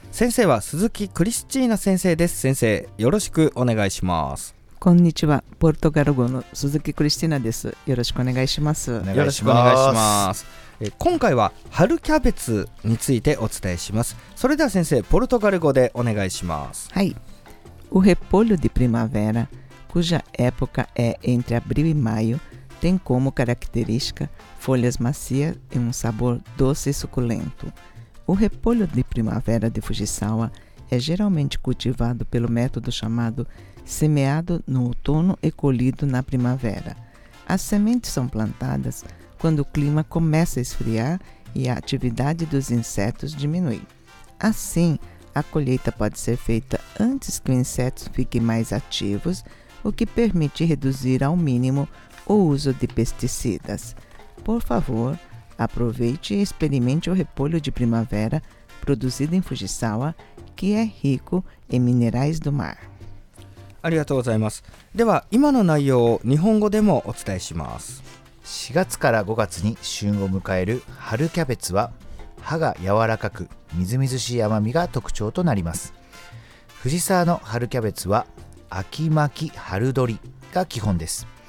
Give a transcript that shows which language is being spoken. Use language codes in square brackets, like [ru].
[ja] 先生は鈴木クリスチーナ先生です。先生よろしくお願いします。こんにちは、ポルトガル語の鈴木クリスチーナです。よろしくお願いします。よろしくお願いします。今回は春キャベツについてお伝えします。それでは先生、ポルトガル語でお願いします。はい。 [pt] O repolho de primavera, cuja época é entre abril e maio, tem como característica folhas macias e sabor doce e suculento. O repolho de primavera de Fujisawa é geralmente cultivado pelo método chamado semeado no outono e colhido na primavera. As sementes são plantadas quando o clima começa a esfriar e a atividade dos insetos diminui. Assim, a colheita pode ser feita antes que os insetos fiquem mais ativos, o que permite reduzir ao mínimo o uso de pesticidas. Por favor, aproveite e experimente o repolho de primavera produzido em Fujisawa, que é rico em minerais do mar. [ja] ありがとうございます。では今の内容を日本語でもお伝えします。 4月から5月に旬を迎える春キャベツは葉が柔らかくみずみずしい甘みが特徴となります。藤沢の春キャベツは秋巻き春どりが基本です。